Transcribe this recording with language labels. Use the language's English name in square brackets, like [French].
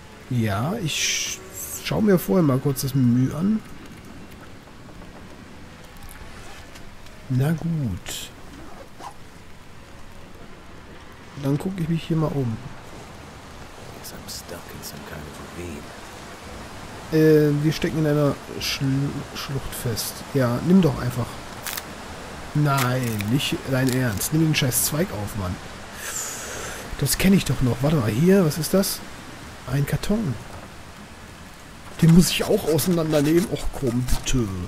[German] Ja, ich schaue mir vorher mal kurz das Menü an. Na gut. Dann gucke ich mich hier mal um. [English] I'm stuck in some kind of a vein. [German] Wir stecken in einer Schlucht fest. Ja, nimm doch einfach. Nein, nicht dein Ernst. Nimm den scheiß Zweig auf, Mann. Das kenne ich doch noch. Warte mal, hier, was ist das? Ein Karton. Den muss ich auch auseinandernehmen. Och, komm, bitte.